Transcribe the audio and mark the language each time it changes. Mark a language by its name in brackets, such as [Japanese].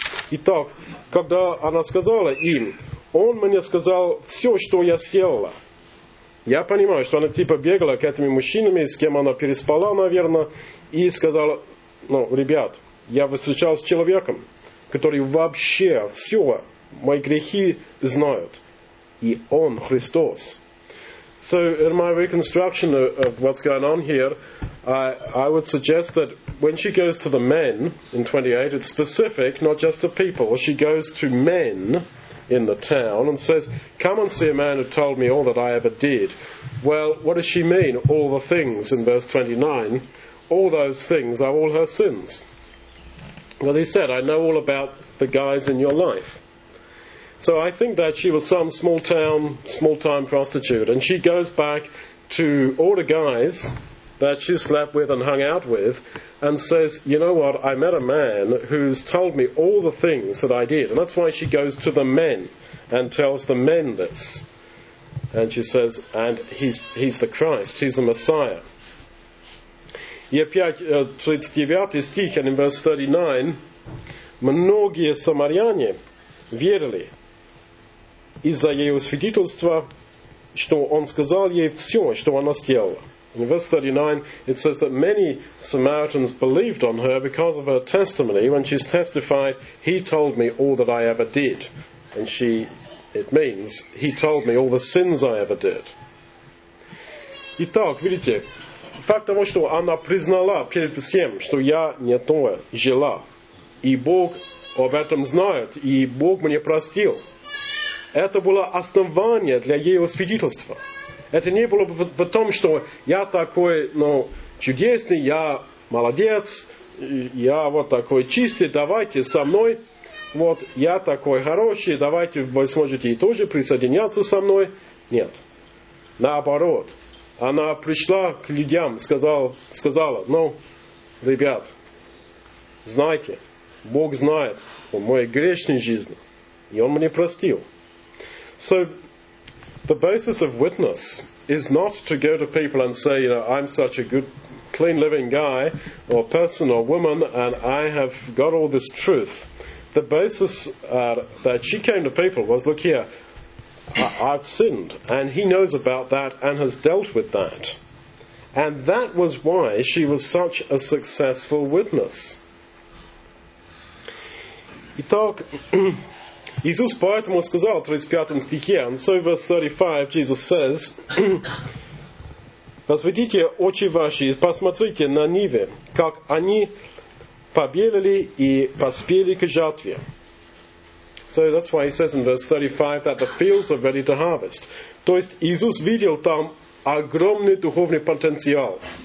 [Russian] Итак, когда она сказала им, он мне сказал все, что я сделала. Я понимаю, что она типа бегала к этими мужчинами, с кем она переспала, наверное, и сказала, ну, ребят, я встречался с человеком, который вообще все мои грехи знает. И он Христос. [English] So in my reconstruction of what's going on here, I would suggest that when she goes to the men in 28, it's specific, not just to people. She goes to men in the town and says, come and see a man who told me all that I ever did. Well, what does she mean, all the things in verse 29? All those things are all her sins. Well, he said, I know all about the guys in your life. So I think that she was some small-time prostitute, and she goes back to all the guys that she slept with and hung out with and says, you know what, I met a man who's told me all the things that I did. And that's why she goes to the men and tells the men this. And she says, and he's the Christ, he's the Messiah. [Russian] Ефесяне 39 стих, [English] and in verse 39, [Russian] многие самаряне верили из-за ее свидетельства, что он сказал ей все, что она сделала. [English] In verse 39, it says that many Samaritans believed on her because of her testimony. When she's testified, he told me all that I ever did. And she, it means, he told me all the sins I ever did. [Russian] Итак, видите, факт того, что она признала перед всем, что я не то жила, и Бог об этом знает, и Бог мне простил. Это было основание для ее свидетельства. Это не было бы потом, что я такой, ну, чудесный, я молодец, я вот такой чистый, давайте со мной, вот я такой хороший, давайте вы сможете и тоже присоединяться со мной. Нет. Наоборот. Она пришла к людям, сказала, ну, ребят, знайте, Бог знает о моей грешной жизни, и Он мне простил. [English] So, the basis of witness is not to go to people and say, you know, I'm such a good, clean living guy, or person, or woman, and I have got all this truth. The basis that she came to people was, look here, I've sinned, and he knows about that, and has dealt with that. And that was why she was such a successful witness. [Russian] Итак, Иисус поэтому сказал в 35 стихе, [English] and so verse 35, Jesus says, [Russian] «Возведите очи ваши и посмотрите на Ниве, как они Победили и поспели к жатве. [English] So that's why he says in verse 35 that the fields are ready to harvest. [Russian] То есть Иисус видел там огромный духовный потенциал.